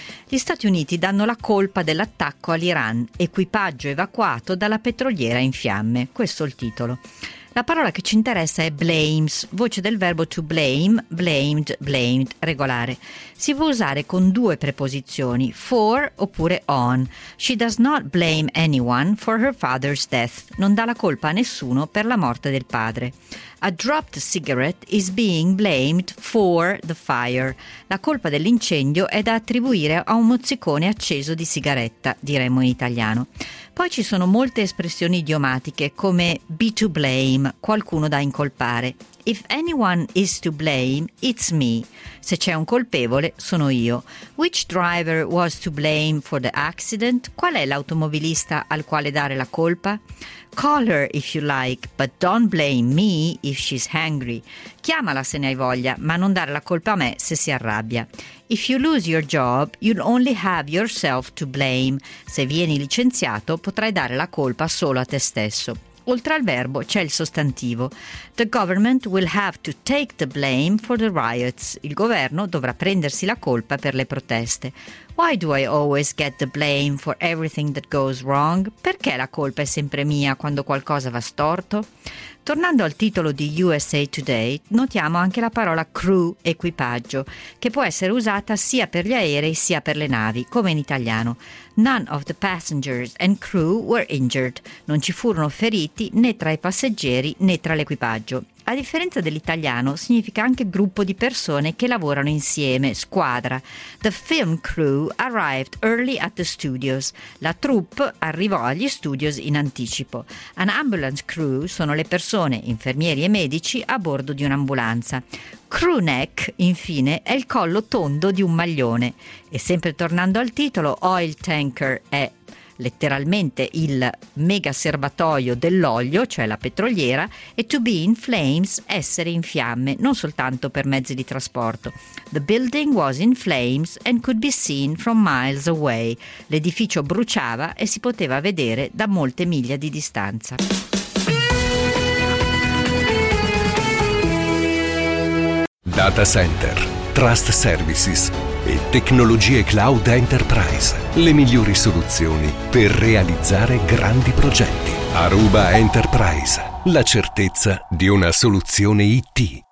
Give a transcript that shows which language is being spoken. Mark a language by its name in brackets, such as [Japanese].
[Italian] Gli Stati Uniti danno la colpa dell'attacco all'Iran, equipaggio evacuato dalla petroliera in fiamme. Questo è il titolo. La parola che ci interessa è blames, voce del verbo to blame, blamed, blamed, regolare. Si può usare con due preposizioni, for oppure on. [English] She does not blame anyone for her father's death. [Italian] Non dà la colpa a nessuno per la morte del padre. [English] A dropped cigarette is being blamed for the fire. [Italian] La colpa dell'incendio è da attribuire a un mozzicone acceso di sigaretta, diremmo in italiano. Poi ci sono molte espressioni idiomatiche come be to blame, qualcuno da incolpare. [English] If anyone is to blame, it's me. [Italian] Se c'è un colpevole, sono io. [English] Which driver was to blame for the accident? [Italian] Qual è l'automobilista al quale dare la colpa? [English] Call her if you like, but don't blame me if she's angry. [Italian] Chiamala se ne hai voglia, ma non dare la colpa a me se si arrabbia. [English] If you lose your job, you'll only have yourself to blame. [Italian] Se vieni licenziato, potrai dare la colpa solo a te stesso. Oltre al verbo c'è il sostantivo. [English] The government will have to take the blame for the riots. [Italian] Il governo dovrà prendersi la colpa per le proteste. [English] Why do I always get the blame for everything that goes wrong? [Italian] Perché la colpa è sempre mia quando qualcosa va storto? Tornando al titolo di USA Today, notiamo anche la parola crew, equipaggio, che può essere usata sia per gli aerei sia per le navi, come in italiano. [English] None of the passengers and crew were injured. [Italian] Non ci furono feriti né tra i passeggeri né tra l'equipaggio. A differenza dell'italiano, significa anche gruppo di persone che lavorano insieme, squadra. [English] The film crew arrived early at the studios. [Italian] La troupe arrivò agli studios in anticipo. An ambulance crew sono le persone, infermieri e medici, a bordo di un'ambulanza. Crew neck, infine, è il collo tondo di un maglione. E sempre tornando al titolo, oil tanker è letteralmente il mega serbatoio dell'olio, cioè la petroliera, e to be in flames, essere in fiamme, non soltanto per mezzi di trasporto. [English] The building was in flames and could be seen from miles away. [Italian] L'edificio bruciava e si poteva vedere da molte miglia di distanza. Data Center, Trust Services e tecnologie cloud enterprise. Le migliori soluzioni per realizzare grandi progetti. Aruba Enterprise, la certezza di una soluzione IT.